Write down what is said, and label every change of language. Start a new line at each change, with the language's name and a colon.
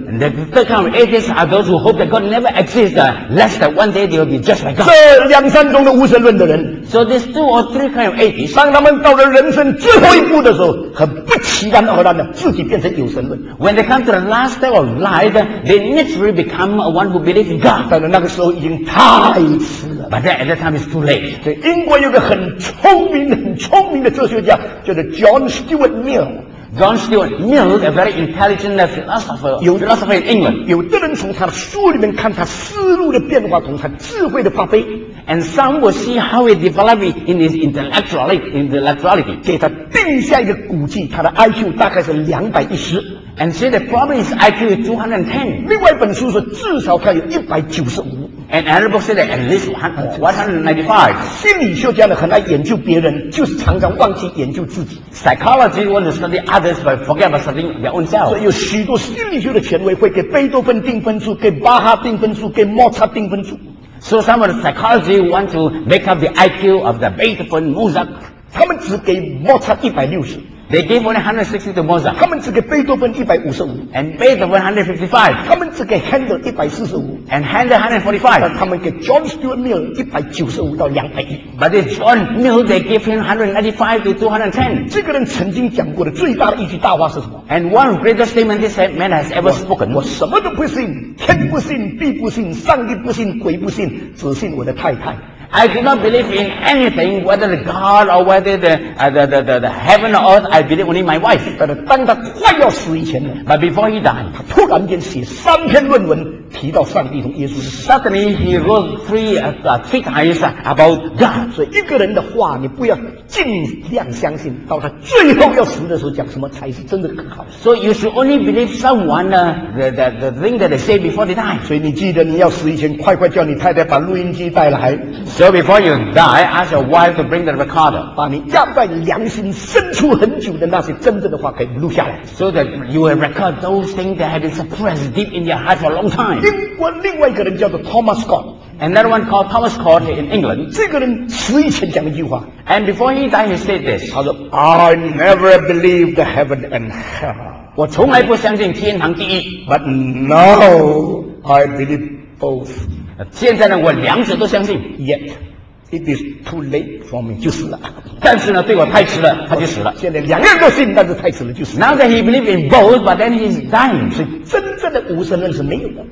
English: And the third kind of atheists are those who hope that God never exists, lest that one day they will be just like God.
Chinese: 这两三种的无神论的人。
English: So there's two or three kind of atheists.
Chinese: 当他们到了人生最后一步的时候，很不其然而然的自己变成有神论。
English: When they come to the last step of life, they naturally become one who believes in God.
Chinese: 但是那个时候已经太迟了。
English: But then at that time it's too late.
Chinese: 所以英国有个很聪明、很聪明的哲学家，叫做 John Stuart Mill。
English: John Stuart Mill, a very intelligent philosopher, philosopher in England.
Chinese: 有的人从他的书里面看他思路的变化，从他智慧的发挥。
English: And some will see how he developed in his intellectuality.
Chinese: 给他定下一个估计，他的 IQ 大概是210。
English: And say that probably his IQ is 210.
Chinese: 另外一本书说至少他有195。
English: And another book said that at least 195.
Chinese: 心理学家呢很爱研究别人，就是常常忘记研究自己。
English: Psychology wants to study others but forget about studying their own self.
Chinese: 所以有许多心理学的权威会给贝多芬定分数，给巴哈定分数，给莫扎定分数。
English: So some of the psychology want to make up the IQ of the Beethoven, Mozart.
Chinese: 他们只给莫扎160。
English: They gave only 160 to Mozart.
Chinese: 他们只给贝多芬155。
English: And Beethoven 155.
Chinese: 他们只给 Handel 145。
English: And Handel 145.
Chinese: 他们给 John Stuart Mill 195到210。
English: But it's John Mill, they gave him 195 to 210.
Chinese: 这个人曾经讲过的最大的一句大话是什么？
English: And one greatest statement this man has ever spoken.
Chinese: 我什么都不信，天不信，地不信，上帝不信，鬼不信，只信我的太太。
English: I do not believe in anything, whether the God or whether the heaven or earth, I believe only in my wife.
Chinese: 但是当他快要死以前呢，
English: But before he died,
Chinese: 他突然间写三篇论文提到上帝和耶稣。
English: Suddenly he wrote three times about God.
Chinese: 所以一个人的话你不要尽量相信，到他最后要死的时候讲什么才是真的可靠。
English: So you should only believe someone the thing that they say before they die.
Chinese: 所以你记得你要死以前快快叫你太太把录音机带来。
English: So before you die, ask your wife to bring the recorder.
Chinese: 把你压在良心深处很久的那些真正的话给录下来。
English: So that you will record those things that have been suppressed deep in your heart for a long time.
Chinese: 另外一个人叫做 Thomas Scott.
English: Another one called Thomas Scott in England.
Chinese: 这个人死以前讲一句话。
English: And before he died, he said this.
Chinese: 他说
English: I never believed the heaven and hell.
Chinese: 我从来不相信天堂地狱。
English: But now, I believe both.
Chinese: 现在呢，我两者都相信。
English: Yet, it is too late for me.
Chinese: 就死了。但是呢，对我太迟了，他就死了。现在两样都信，但是太迟了，就死了。
English: Now that he believes in both, but then he's dying.
Chinese: 所以真正的无神论是没有的。